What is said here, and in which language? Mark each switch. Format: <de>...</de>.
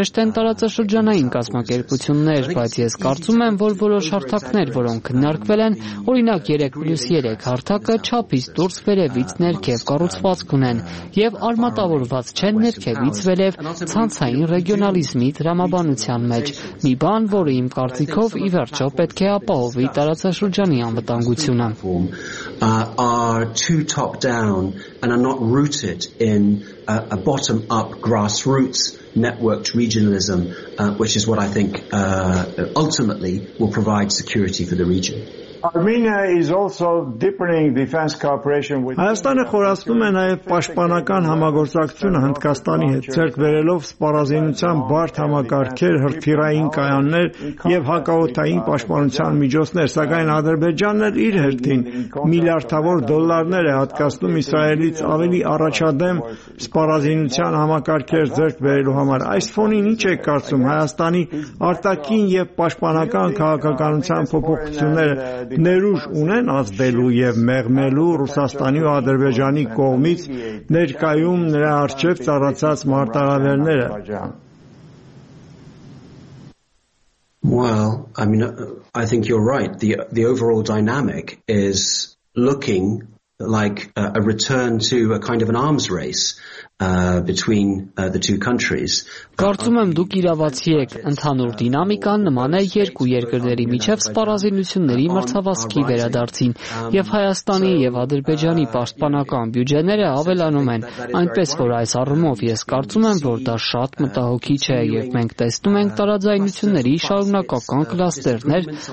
<hy>անհրաժեշտ են տարածաշրջանային կազմակերպություններ, բայց ես կարծում եմ, որ որոշ հարթակներ, որոնք քննարկվել են, օրինակ 3+3 հարթակը չափից դուրս վերևից ներքև կառուցվածք ունեն և արմատավորված չեն ներքևից վերև ցանցային ռեգիոնալիզմի դրամաբանության մեջ, մի բան, որը իմ կարծիքով ի վերջո պետք է ապահովի տարածաշրջանի անվտանգությունը.</hy> <en>Are too top down and are not rooted in a bottom up grassroots networked regionalism, which is what I think ultimately will provide security for the region. Armenia is also deepening defense cooperation with</en> <hy>Հայաստանը խորացնում է նաև պաշտպանական համագործակցությունը Հնդկաստանի հետ, ձեռք բերելով սպառազինության բարդ համակարգեր, հրթիռային կայաններ և հակաօդային պաշտպանության միջոցներ, սակայն Ադրբեջանն էլ իր հերթին միլիարդավոր դոլարներ է հատկացնում Իսրայելից ավելի առաջադեմ սպառազինության համակարգեր ձեռք բերելու համար։ Այս ֆոնին ինչ է կարծում Հայաստանի արտաքին և պաշտպանական քաղաքականության փոփոխությունները ներուժ ունեն ազդելու և մեղմելու Ռուսաստանի ու Ադրբեջանի կողմից ներկայում նրա առջև ծառացած մարտահրավերները?</hy> <en>Well, I mean, I think you're right. The overall dynamic is looking like a return to a kind of an arms race between the two countries.</en> <hy>Կարծում եմ դուք իրավացի եք, ընդհանուր դինամիկան նման է երկու երկրների միջև սպառազինությունների մրցավազքի վերադարձին, եւ Հայաստանի եւ Ադրբեջանի պաշտպանական բյուջեները ավելանում են, այնպես որ այս առումով ես կարծում եմ, որ դա շատ մտահոգիչ է եւ մենք տեսնում ենք տարաձայնությունների շարունակական կլաստերներ</hy>